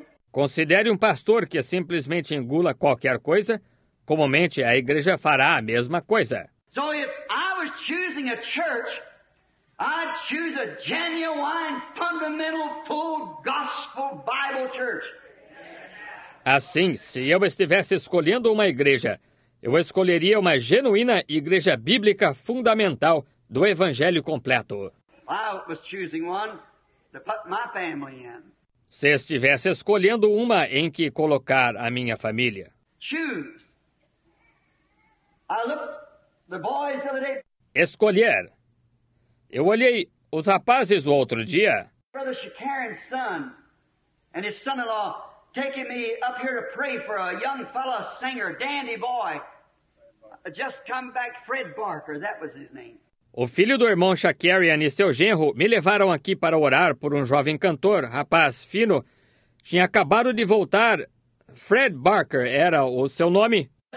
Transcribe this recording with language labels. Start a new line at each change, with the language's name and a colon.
Portuguese: Considere um pastor que simplesmente engula qualquer coisa, comumente a igreja fará a mesma coisa. Então, se eu estivesse escolhendo uma igreja,
English: I choose a genuine, fundamental, full gospel Bible church.
Portuguese: Assim, se eu estivesse escolhendo uma igreja, eu escolheria uma genuína igreja bíblica fundamental do Evangelho completo.
English: I was choosing one to put my family in.
Portuguese: Se estivesse escolhendo uma em que colocar a minha família.
English: Choose. I looked the boys the other day.
Portuguese: Escolher. Eu olhei os rapazes o outro dia.
English: Brother Shakarin's son and his son-in-law taking me up here to pray for a young fellow singer, dandy boy. Just come back, Fred Barker, that was his name.
Portuguese: O filho do irmão Shakarian e seu genro me levaram aqui para orar por um jovem cantor, rapaz fino. Tinha acabado de voltar. Fred Barker era o seu nome.